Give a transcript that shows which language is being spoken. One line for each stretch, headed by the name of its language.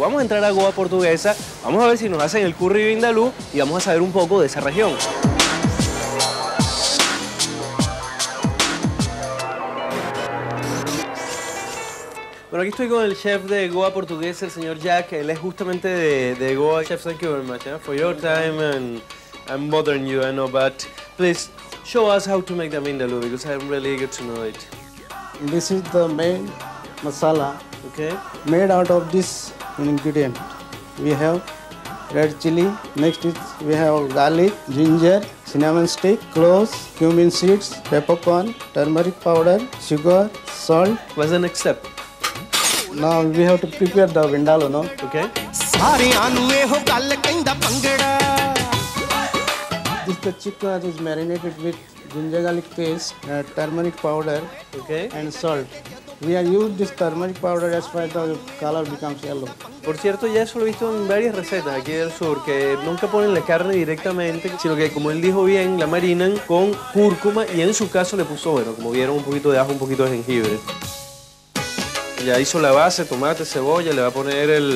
Spanish: Vamos a entrar a Goa Portuguesa, vamos a ver si nos hacen el curry vindaloo y vamos a saber un poco de esa región. Bueno, aquí estoy con el chef de Goa Portuguesa, el señor Jack. Él es justamente de Goa.
English: Chef, thank you very much for your time and I'm bothering you, I know, but please show us how to make the vindaloo because I'm really eager to know it. This is the main masala, okay, made out of this ingredient. We have red chili. Next is we have garlic, ginger, cinnamon stick, cloves, cumin seeds, peppercorn, turmeric powder, sugar, salt. What's the next step? Now we have to prepare the vindaloo, no? Okay. This is the chicken that is marinated with ginger garlic paste, turmeric powder, okay, and salt. We have used this turmeric powder as far as the color becomes yellow.
Spanish: Por cierto, ya eso lo he visto en varias recetas aquí del sur, que nunca ponen la carne directamente, sino que, como él dijo bien, la marinan con cúrcuma y en su caso le puso, bueno, como vieron, un poquito de ajo, un poquito de jengibre. Ya hizo la base, tomate, cebolla, le va a poner